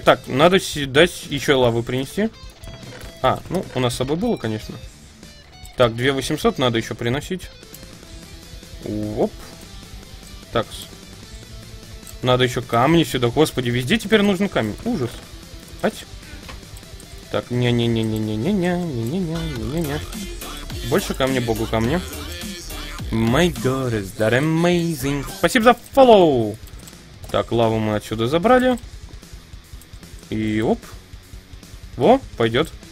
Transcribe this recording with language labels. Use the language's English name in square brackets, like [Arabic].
[Russian] Так, надо дать еще лавы принести. А, ну, у нас с собой было, конечно. Так, 2800 надо еще приносить. Оп. Так. Надо еще камни сюда. Господи, везде теперь нужен камень. Ужас. Ать. Так, не-не-не-не-не-не-не-не-не-не-не-не. Больше камня, богу камня. [English] My God, is that amazing? [Russian] Спасибо за follow! Так, лаву мы отсюда забрали. И оп. Во, пойдет.